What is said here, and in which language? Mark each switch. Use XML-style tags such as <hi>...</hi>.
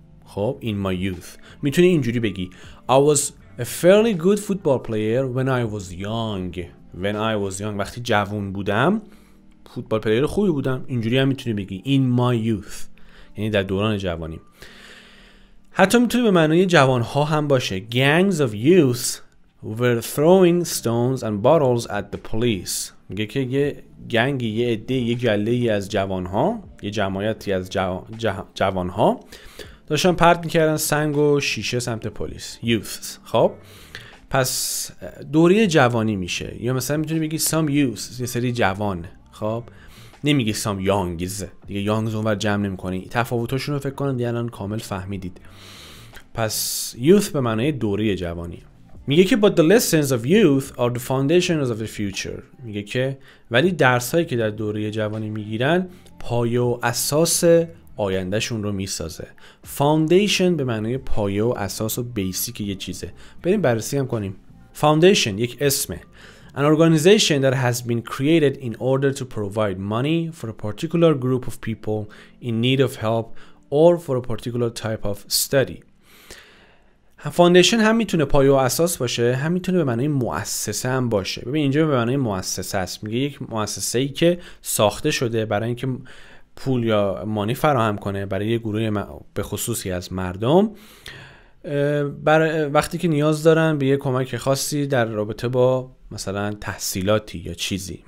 <en>خب in my youth.</en> <fa>میتونی اینجوری بگی.</fa> <en>I was a fairly good football player when I was young. When I was young،</en> <fa>وقتی جوان بودم فوتبال پلیر خوبی بودم. اینجوری هم میتونی بگی</fa> <en>in my youth،</en> <fa>یعنی در دوران جوانی. حتی میتونی به معنی جوانها هم باشه.</fa> <en>Gangs of youth were throwing stones and bottles at the police.</en> <fa>میگه که یه گنگی، یه عده، یه گلهی از جوانها، یه جمعیتی از جوانها داشتن پرت میکردن سنگ و شیشه سمت پلیس. youth. خب پس دوره جوانی میشه. یا مثلا میتونی بگی some youth، یه سری جوان. خب نمیگی some youngs، دیگه youngs اونور جمع نمی کنی. تفاوتاشون رو فکر کنن دیگه الان کامل فهمیدید. پس youth به معنی دوره جوانی. میگه که</fa> <en>but the lessons of youth are the foundations of the future.</en> <fa>میگه که ولی درسایی که در دوره جوانی میگیرن پایه و اساس آیندهشون رو میسازه. foundation به معنی پایه و اساس و بیسیک یه چیزه. بریم بررسی هم کنیم. foundation یک اسمه.</fa> <en>an organization that has been created in order to provide money for a particular group of people in need of help or for a particular type of study.</en> <fa>فاندیشن هم میتونه پایه و اساس باشه، هم میتونه به معنی مؤسسه هم باشه. ببین اینجا به معنی مؤسسه است. میگه یک مؤسسه ای که ساخته شده برای اینکه پول یا مانی فراهم کنه برای یک گروه به خصوصی از مردم، برای وقتی که نیاز دارن به یک کمک خاصی در رابطه با مثلا تحصیلاتی یا چیزی.</fa>